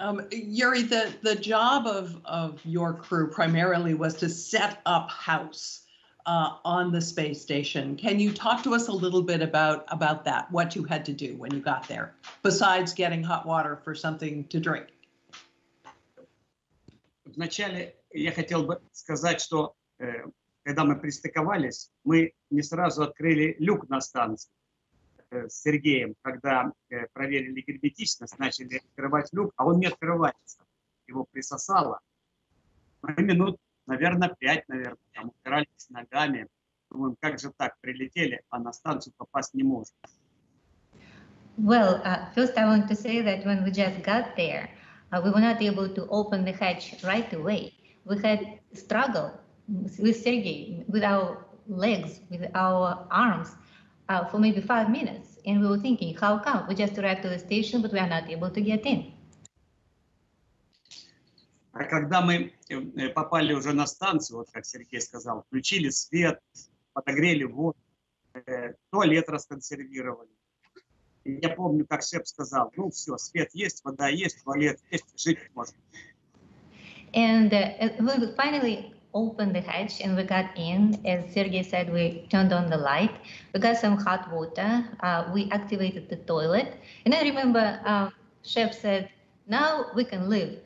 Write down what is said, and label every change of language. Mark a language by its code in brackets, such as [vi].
[en] Yuri, the job of your crew primarily was to set up house on the space station. Can you talk to us a little bit about that, what you had to do when you got there, besides getting hot water for something to drink? [ru] Вначале я хотел бы сказать, что когда мы пристыковались, мы не сразу открыли люк на станции с Сергеем, когда проверили герметичность, начали открывать люк, а он не открывается, его присосало. Минут, наверное, пять, наверное, там упирались ногами. Думаем, как же так, прилетели, а на станцию попасть не можем. [en] Well, first I want to say that when we just got there, we were not able to open the hatch right away. We had struggle with Sergei, with our legs, with our arms, for maybe 5 minutes, and we were thinking, how come? We just arrived to the station, but we are not able to get in. [ru] А когда мы попали уже на станцию, вот как Сергей сказал, включили свет, подогрели воду, туалет расконсервировали. И я помню, как Шеп сказал, ну все, свет есть, вода есть, туалет есть, жить можно. [en] And we finally opened the hatch and we got in. As Sergei said, we turned on the light. We got some hot water. We activated the toilet. And I remember Shep said, now we can live.